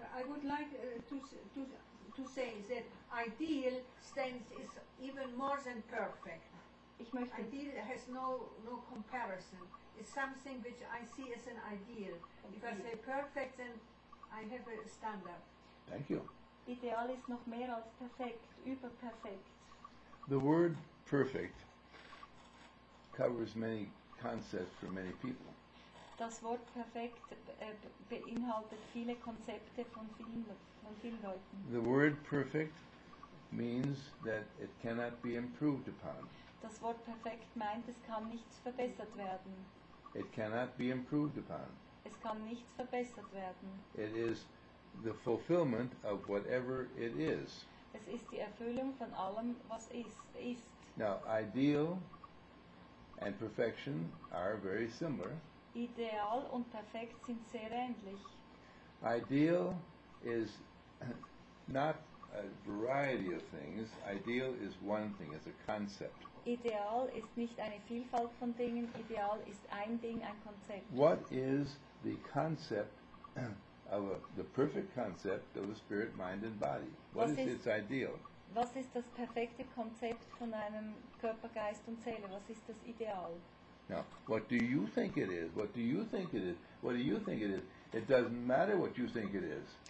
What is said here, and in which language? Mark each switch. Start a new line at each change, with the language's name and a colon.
English: I would like to say that ideal stands is even more than perfect.
German: Ich möchte
English: ideal has no comparison. It's something which I see as an ideal. If I say perfect, then I have a standard. Thank you.
German: Ideal is noch mehr als perfekt, über perfekt.
English: The word perfect covers many concepts for many people.
German: Das Wort perfekt beinhaltet viele Konzepte von vielen Leuten.
English: The word perfect means that it cannot be improved upon.
German: Das Wort perfekt meint, es kann nichts verbessert werden.
English: It cannot be improved upon.
German: Es kann nichts verbessert werden.
English: It is the fulfillment of whatever it is.
German: Es ist die Erfüllung von allem, was ist.
English: Now, ideal and perfection are very similar.
German: Ideal und perfekt sind sehr ähnlich.
English: Ideal is not a variety of things. Ideal is one thing, it's a concept.
German: Ideal ist nicht eine Vielfalt von Dingen. Ideal ist ein Ding, ein Konzept.
English: What is the concept of the perfect concept of the spirit, mind and body? What
German: was
English: is its ideal?
German: Was ist das perfekte Konzept von einem Körper, Geist und Seele? Was ist das Ideal?
English: Now, what do you think it is? What do you think it is? What do you think it is? It doesn't matter what you think it is.